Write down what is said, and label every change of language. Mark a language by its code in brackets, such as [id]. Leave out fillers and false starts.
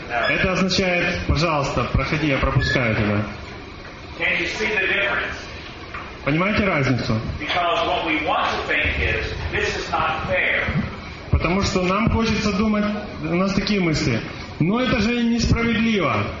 [ru] Это означает, пожалуйста, проходи, я пропускаю тебя. [en] Can you see the difference? [ru] Понимаете разницу? [en] Because what we want to think is, this is not fair. [ru] Потому что нам хочется думать, у нас такие мысли. Но это же несправедливо.